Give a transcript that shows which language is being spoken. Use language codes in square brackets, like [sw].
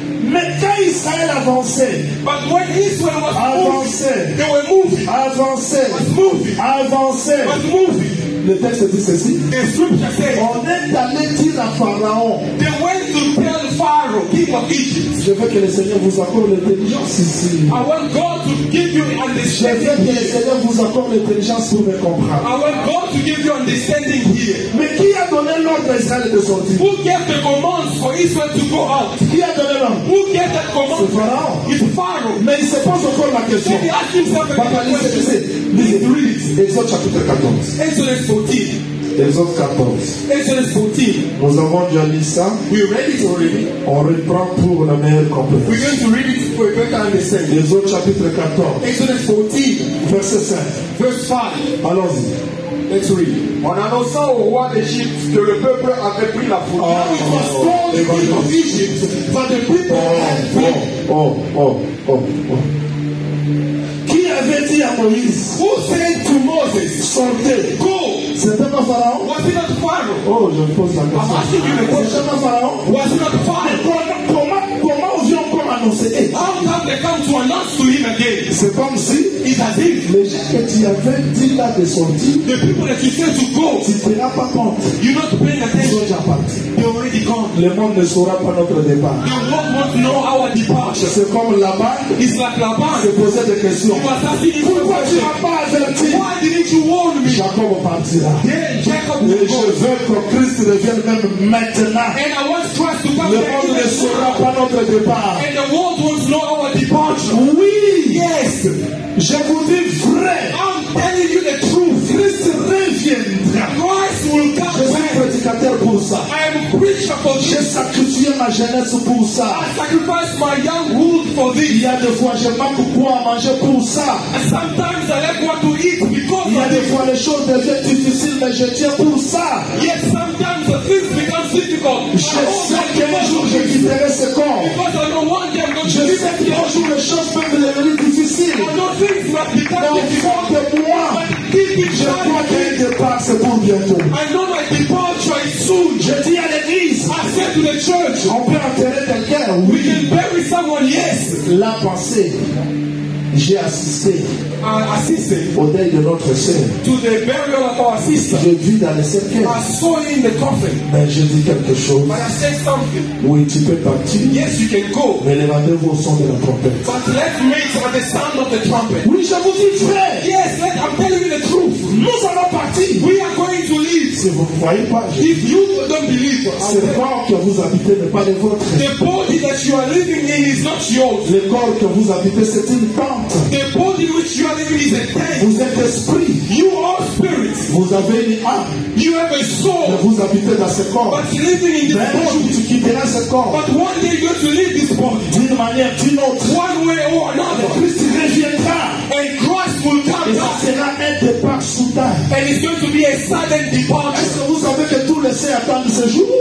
[fr] Mais quand Israël avançait, [en] but when Israel was [fr] avançait, [en] moving, they were moving, [fr] avançait, [en] was moving, [fr] avançait, [en] was moving. [fr] Le texte dit ceci. [en] The scripture says, [fr] on est allé dire à Pharaon. [en] They went to tell Pharaoh, king of Egypt. [fr] Je veux que le Seigneur vous accorde l'intelligence ici. [en] I want God to give you understanding. [fr] Je veux que le Seigneur vous accorde l'intelligence pour me comprendre. [en] I want God to give you understanding here. [fr] Mais qui a donné l'ordre à Israël de sortir? [en] Who gave the command for Israel to go out? [fr] Qui a donné l'ordre? [en] Who gave that command? [fr] C'est Pharaon. [en] It's Pharaoh. [fr] Mais il se pose encore la question. [en] Then he asked himself a [fr] question. Papa, lisez. Exode chapitre 14. Exode 14. Exode 14. Exode 14. Nous avons déjà lu ça. [en] We read it already. [fr] On reprend pour la meilleure compréhension. [en] We're going to read it for a better understanding. [fr] Exode chapitre 14. Exode 14. Verset 5. [en] Verse 5. [fr] Allons-y. [en] Let's read. [fr] En annonçant au roi d'Égypte que le peuple avait pris la fuite. [en] Oh, it was told to the king of Egypt that the people had [fr] Qui avait dit à Moïse? [en] Who said to Moses? [fr] Sortez. [en] Go. [fr] C'était pas Pharaon? [en] Was it not Pharaoh? [fr] Oh, je pose la question. [en] I'm asking you the question. [fr] C'était pas Pharaon? [en] Was it not Pharaoh? [fr] Comment aux gens comme annoncer? [en] How come they come to announce to him again? [fr] C'est comme si. [en] It has been. [fr] Les gens que tu avais dit là de sortir. [en] The people that you said to go. [fr] Tu ne seras pas compte. [en] You're not paying attention. [fr] Ils sont déjà partis. [en] They already gone. [fr] Le monde ne saura pas notre départ. [en] The world won't know our departure. [fr] C'est comme là-bas. [en] It's like là-bas. [fr] Se poser des questions. [en] You must ask [fr] him. Pourquoi tu n'as pas averti? [en] Why didn't you warn me? [fr] Jacob partira. [en] Yeah, Jacob will go. [fr] Je veux que Christ revienne même maintenant. [en] And I want Christ to come. [fr] Le monde ne saura pas notre départ. [en] And the world won't know our departure. [fr] Oui. [en] Yes. [fr] Je vous dis vrai. [en] I'm telling you the truth. [fr] Christ reviendra. [en] Christ will come. [fr] Je suis prédicateur pour ça. [en] I am a preacher for this. [fr] J'ai sacrifié ma jeunesse pour ça. [en] I sacrificed my young youth for this. [fr] Il y a des fois, je manque quoi à manger pour ça. [en] And sometimes I lack what to eat because. [fr] Il y a des fois, les choses deviennent difficiles, mais je tiens pour ça. [en] Yes, sometimes the things become difficult. [fr] Je sais qu'un jour je quitterai ce corps. [en] Because I know one day I'm going to. [fr] Je sais qu'un jour les choses peuvent devenir difficiles. Je crois que le départ c'est pour bientôt. [en] I know my departure is soon. [fr] Je dis à l'église. [en] I said to the church. [fr] On peut enterrer quelqu'un. Oui. [en] We can bury someone. Yes. [fr] La pensée. J'ai assisté. [en] I assisted. [fr] Au deuil de notre sœur. [en] To the burial of our sister. [fr] Je vis dans le cercueil. [en] I saw in the coffin. [fr] Mais je dis quelque chose. [en] But I said something. [fr] Oui, tu peux partir. [en] Yes, you can go. [fr] Mais levez-vous au son de la trompette. [en] But let me at the sound of the trumpet. [fr] Oui, je vous dis frère. [en] Yes, I'm telling you the truth. [fr] Nous allons partir. [en] We are going to leave. [fr] Si vous ne croyez pas, [en] je... If you don't believe, [fr] ce corps que vous habitez n'est pas le vôtre. [en] The body that you are living in is not yours. [fr] Le corps que vous habitez, c'est une tente. [en] The body which you are living is a tent. [fr] Vous êtes esprit. [en] You are spirit. [fr] Vous avez une âme. [en] You have a soul. [fr] Mais vous habitez dans ce corps. [en] But living in this body. [fr] Tu quitteras ce corps. [en] But one day you're going to leave this body. [fr] D'une manière, d'une autre. [en] One way or another. [fr] Christ reviendra. [en] And Christ will come. [fr] Et ça sera un départ soudain. [en] And it's going to be a sudden departure. [fr] Est-ce que vous savez que tous les saints attendent ce jour?